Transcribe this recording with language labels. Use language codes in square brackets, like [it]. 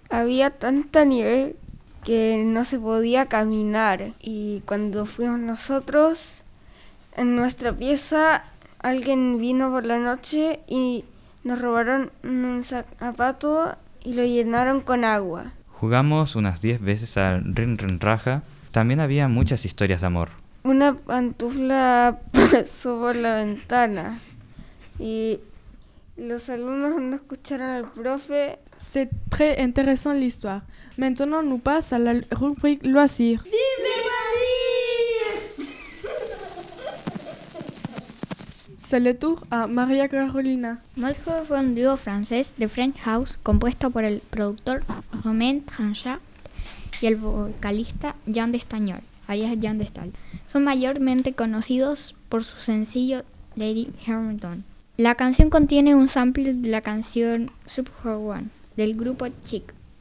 [es] Había tanta nieve que no se podía caminar y cuando fuimos nosotros en nuestra pieza alguien vino por la noche y nos robaron un zapato y lo llenaron con agua. Jugamos unas 10 veces al Rin Rin Raja. También había muchas historias de amor. Una pantufla pasó por la ventana y los alumnos no escucharon al profe. [fr] C'est très intéressant l'histoire. Maintenant nous passons à la rubrique loisirs. Vive Marie! C'est le tour à Maria Carolina. [es] Malheur fue un dúo francés de French House compuesto por el productor Romain Tranchat y el vocalista Jean Destagnol, alias Jean Destal. Son mayormente conocidos por su sencillo Lady Hamilton. La canción contiene un sample de la canción Super One del grupo Chic.